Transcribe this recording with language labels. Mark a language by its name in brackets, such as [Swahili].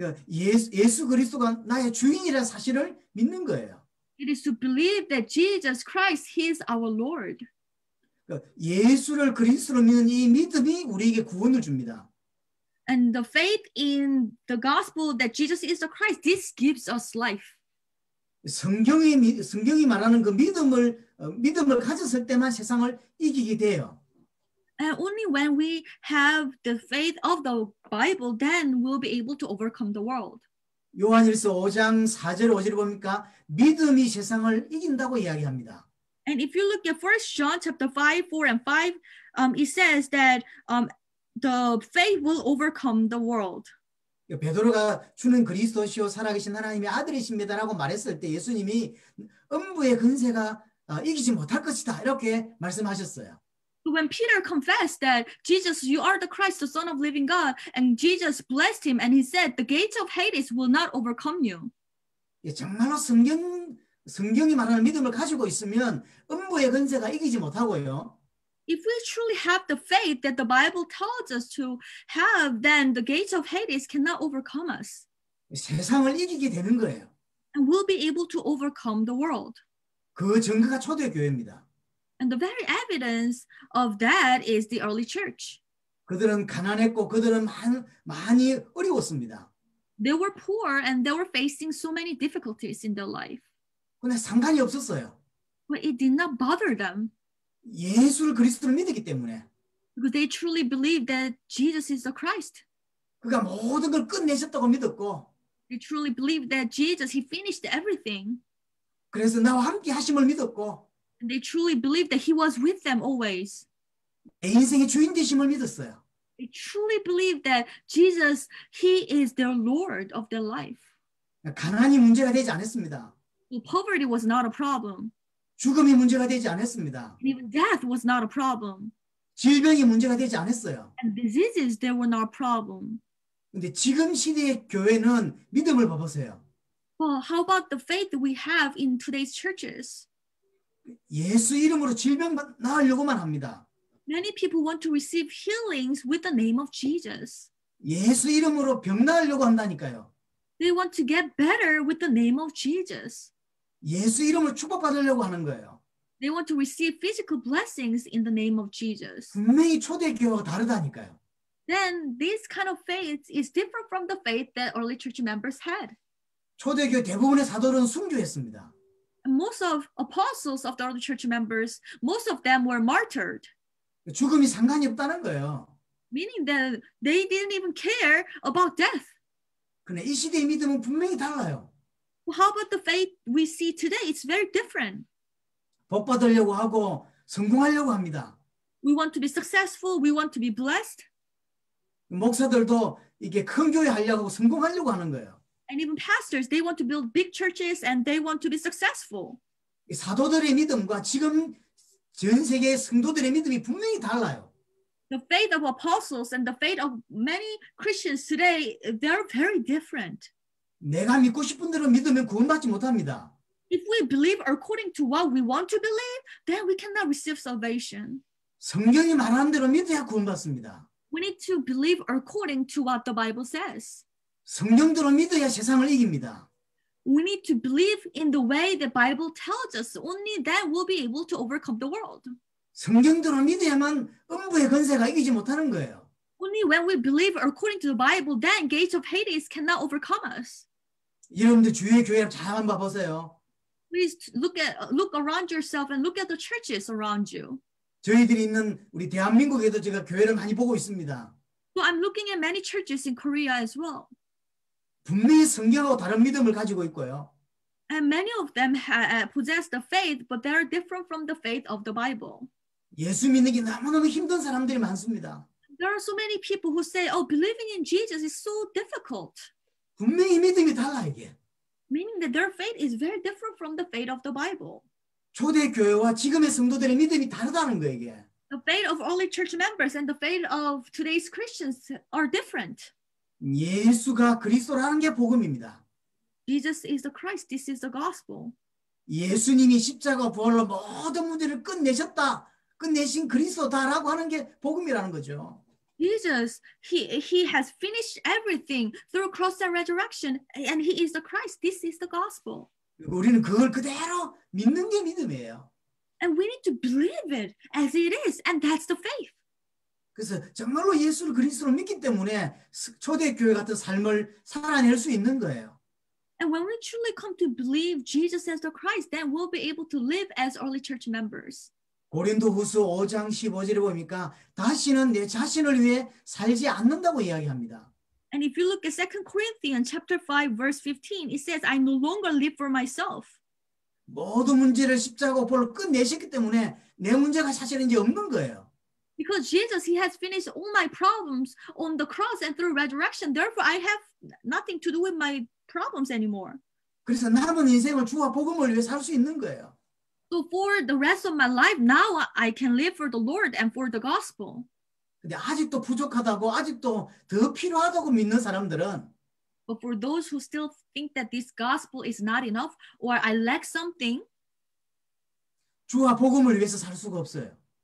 [Korean] 예수 그리스도가 나의 주인이라는 사실을 믿는 거예요. [English] It is to believe that Jesus Christ, He is our Lord. [Korean] 예수를 그리스도로 믿는 이 믿음이 우리에게 구원을 줍니다. [English] And the faith in the gospel that Jesus is the Christ, this gives us life. [Korean] 성경이 말하는 그 믿음을 가졌을 때만 세상을 이기게 돼요. [English] And only when we have the faith of the Bible, then we'll be able to overcome the world. [Korean] 요한일서 5장 4절 5절을 보니까 믿음이 세상을 이긴다고 이야기합니다. [English] And if you look at 1 John chapter 5, 4 and 5, it says that the faith will overcome the world. [Korean] 베드로가 주는 그리스도시요 살아계신 하나님의 아들이십니다라고 말했을 때 예수님이 음부의 근세가 이기지 못할 것이다 이렇게 말씀하셨어요. [English] When Peter confessed that Jesus, you are the Christ, the Son of living God, and Jesus blessed him, and he said, the gates of Hades will not overcome you. [Korean] 정말로 성경이 말하는 믿음을 가지고 있으면 음부의 근세가 이기지 못하고요. [English] If we truly have the faith that the Bible tells us to have, then the gates of Hades cannot overcome us. [Korean] 세상을 이기게 되는 거예요. [English] and will be able to overcome the world. [Korean] 그 증거가 초대 교회입니다. [English] And the very evidence of that is the early church. [Korean] 그들은 가난했고 그들은 많이 어려웠습니다. [English] They were poor and they were facing so many difficulties in their life. [Korean] 근데 상관이 없었어요. [English] But it did not bother them. [Korean] 예수를 그리스도로 믿었기 때문에. [English] Because they truly believed that Jesus is the Christ. [Korean] 그가 모든 걸 끝내셨다고 믿었고. [English] They truly believed that Jesus, he finished everything. [Korean] 그래서 나와 함께 하심을 믿었고. [English] And they truly believed that he was with them always. [Korean] 내 인생의 주인 되심을 믿었어요. [English] They truly believed that Jesus, he is their Lord of their life. [Korean] 가난이 문제가 되지 않았습니다. [English] Well, poverty was not a problem. [Korean] 죽음이 문제가 되지 않았습니다. [English] And even death was not a problem. [Korean] 질병이 문제가 되지 않았어요. [English] And diseases, they were not a problem. [Korean] 근데 지금 시대의 교회는 믿음을 봐보세요. [English] Well, how about the faith we have in today's churches? [Korean] 예수 이름으로 질병 나으려고만 합니다. [English] Many people want to receive healings with the name of Jesus. [Korean] 예수 이름으로 병 나으려고 한다니까요. [English] They want to get better with the name of Jesus. [Korean] 예수 이름으로 축복받으려고 하는 거예요. [English] They want to receive physical blessings in the name of Jesus. [Korean] 분명히 초대교회와 다르다니까요. [English] Then this kind of faith is different from the faith that early church members had. [Korean] 초대교회 대부분의 사도들은 순교했습니다. [English] Most of apostles of the early church members, most of them were martyred. [Korean] 죽음이 상관이 없다는 거예요. [English] Meaning that they didn't even care about death. [Korean] 근데 이 시대의 믿음은 분명히 달라요. [English] Well, how about the faith we see today? It's very different. [Korean] 복 받으려고 하고 성공하려고 합니다. [English] We want to be successful. We want to be blessed. [Korean] 목사들도 이게 큰 교회 하려고 성공하려고 하는 거예요. [English] And even pastors, they want to build big churches and they want to be successful. [Korean] 사도들의 믿음과 지금 전 세계의 성도들의 믿음이 분명히 달라요. [English] The faith of apostles and the faith of many Christians today, they're very different. [Korean] 내가 믿고 싶은 대로 믿으면 구원받지 못합니다. [English] If we believe according to what we want to believe, then we cannot receive salvation. [Korean] 성경이 말하는 대로 믿어야 구원받습니다. [English] We need to believe according to what the Bible says. [Korean] 성경대로 믿어야 세상을 이깁니다. [English] We need to believe in the way the Bible tells us. Only then we'll be able to overcome the world. [Korean] 성경대로 믿어야만 음부의 권세가 이기지 못하는 거예요. [English] Only when we believe according to the Bible, then gates of Hades cannot overcome us. [Korean] 여러분들 주위의 교회를 잘 한번 봐보세요. [English] Please look around yourself and look at the churches around you. [Korean] 저희들이 있는 우리 대한민국에도 제가 교회를 많이 보고 있습니다. [English] So I'm looking at many churches in Korea as well. [Korean] 분명히 성경하고 다른 믿음을 가지고 있고요. [English] And many of them possess the faith, but they are different from the faith of the Bible. [Korean] 예수 믿는 게 너무너무 힘든 사람들이 많습니다. [English] There are so many people who say, oh, believing in Jesus is so difficult. [Korean] 분명히 믿음이 달라, 이게. [English] Meaning that their faith is very different from the faith of the Bible. [Korean] 초대교회와 지금의 성도들의 믿음이 다르다는 거예요, 이게. [English] The faith of early church members and the faith of today's Christians are different. [Korean] 예수가 그리스도라는 게 복음입니다. [English] Jesus is the Christ. This is the gospel. [Korean] 예수님이 십자가 부활로 모든 문제를 끝내셨다. 끝내신 그리스도다라고 하는 게 복음이라는 거죠. [English] Jesus, he has finished everything through cross and resurrection, and he is the Christ. This is the gospel. [Korean] 우리는 그걸 그대로 믿는 게 믿음이에요. [English] And we need to believe it as it is, and that's the faith. [Korean] 그래서 정말로 예수를 그리스도로 믿기 때문에 초대교회 같은 삶을 살아낼 수 있는 거예요. [English] And when we truly come to believe Jesus as the Christ, then we'll be able to live as early church members. [Korean] 고린도후서 5장 15절에 보니까 다시는 내 자신을 위해 살지 않는다고 이야기합니다. [English] And if you look at 2 Corinthians chapter 5 verse 15, it says I no longer live for myself. [Korean] 모든 문제를 십자가 볼로 끝내셨기 때문에 내 문제가 사실은 이제 없는 거예요. [English] Because Jesus he has finished all my problems on the cross and through resurrection, therefore I have nothing to do with my problems anymore. [Korean] 그래서 남은 인생을 주와 복음을 위해 살 수 있는 거예요. [English] So for the rest of my life, now I can live for the Lord and for the gospel. [Korean] 근데 아직도 부족하다고, 아직도 더 필요하다고 믿는 사람들은 [English] But for those who still think that this gospel is not enough or I lack something, [Korean] 주와 복음을 위해서 살 수가 없어요.